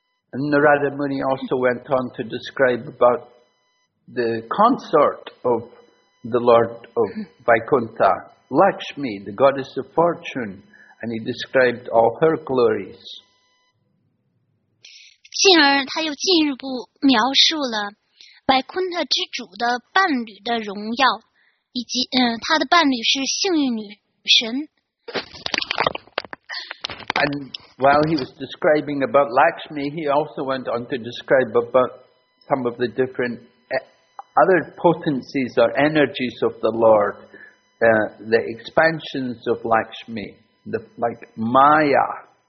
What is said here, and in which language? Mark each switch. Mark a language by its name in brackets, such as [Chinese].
[English] And Narada Muni also went on to describe about the consort of the Lord of Vaikuntha, Lakshmi, the goddess of fortune, and he described all her glories. [Chinese] 进而他又进一步描述了白昆特之主的伴侣的荣耀，以及他的伴侣是幸运女神。 [English] And while he was describing about Lakshmi, he also went on to describe about some of the different other potencies or energies of the Lord, the expansions of Lakshmi, like Maya.